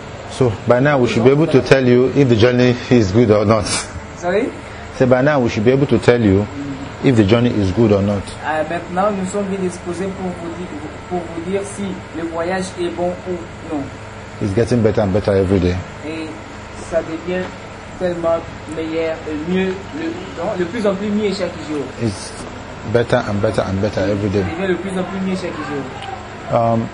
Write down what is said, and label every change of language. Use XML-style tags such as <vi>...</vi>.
<en>So by now we should be able to tell you if the journey is good or not. Sorry? So by now we should be able to tell you if the journey is good or not.</en> <fr>Maintenant nous sommes bien disposés pour vous dire si le voyage est bon ou non.</fr> <en>It's getting better and better every day.</en> <fr>Et ça devient tellement meilleur, mieux, le plus en plus mieux chaque jour.</fr> <en>It's better and better and better every day.</en> <fr>Devient le plus en plus mieux chaque jour.</fr>